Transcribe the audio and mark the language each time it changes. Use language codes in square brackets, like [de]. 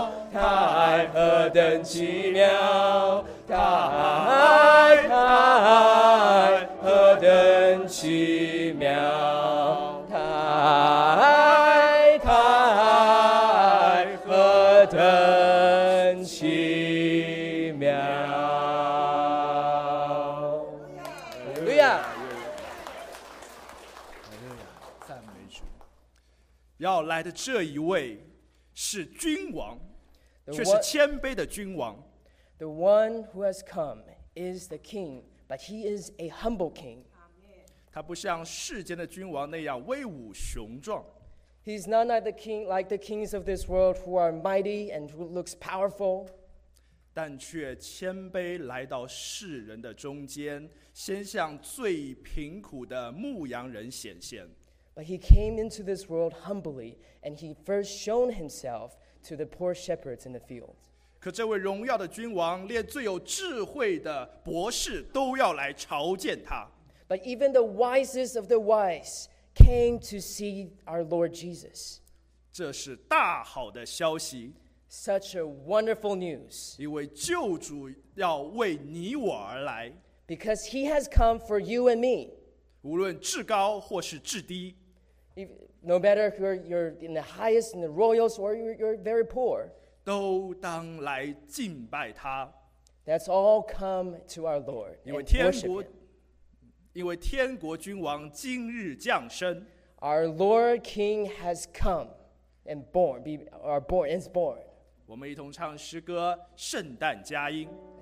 [zh] 他爱何等奇妙，他爱他爱何等奇妙，他爱他爱何等奇妙。哈利路亚，哈利路亚，赞美主。要来的这一位是君王，却是谦卑的君王。 [en] The one who has come is the king, but he is a humble king. [zh] 他不像世间的君王那样威武雄壮。 [en] He's not like the king, like the kings of this world who are mighty and who looks powerful. [zh] 但却谦卑来到世人的中间，先向最贫苦的牧羊人显现。 [en] But he came into this world humbly, and he first shown himself to the poor shepherds in the field. [zh] 可这位荣耀的君王连最有智慧的博士都要来朝见他。 [en] But even the wisest of the wise came to see our Lord Jesus. [zh] 这是大好的消息。 [en] Such a wonderful news. [zh] 一位救主要为你我而来。 [en] Because he has come for you and me. [zh] 无论至高或是至低。 [en] No matter if you're in the highest in the royals or you're very poor. [zh] 都当来敬拜他。 [en] Let's all come to our Lord and worship him. [zh] 因为天国君王今日降生。 [en] Our Lord King has come and is born. [zh] 我们一同唱诗歌《圣诞佳音》。